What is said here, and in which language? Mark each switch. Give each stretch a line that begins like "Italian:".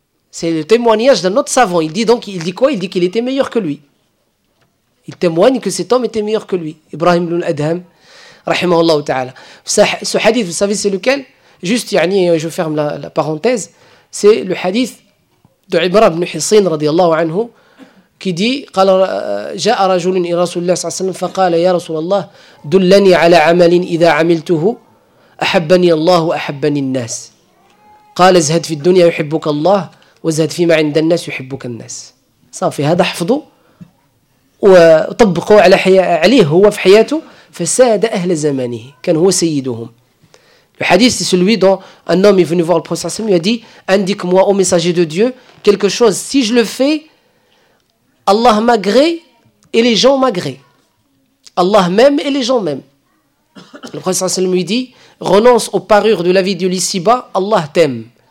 French: C'est le témoignage d'un autre savant. Il dit donc, il dit quoi? Il dit qu'il était meilleur que lui. Il témoigne que cet homme était meilleur que lui. Ibrahim ibn Adham, rahimahullah ta'ala. Ce hadith, vous savez c'est lequel? Juste, yani, je ferme la parenthèse. C'est le hadith de Ibra ibn Hissin, radiyallahu anhu. Qui dit,
Arabic: جاء رجل إلى رسول الله صلى الله عليه وسلم فقال يا رسول الله دلني على عمل إذا عملته أحبني الله وأحبني الناس. قال ازهد في الدنيا يحبك الله وازهد فيما عند الناس يحبك الناس. صافي هذا حفظه وطبقه على عليه هو في حياته فساد أهل زمانه كان هو سيدهم.
French: Le hadith, c'est celui dont un homme est venu voir le prophète, il a dit, indique-moi au messager de Dieu quelque chose, si je le fais, Allah m'agré et les gens m'agré. Allah m'aime et les gens m'aiment. Le prophète lui dit, renonce aux parures de la vie de l'ici-bas, Allah t'aime.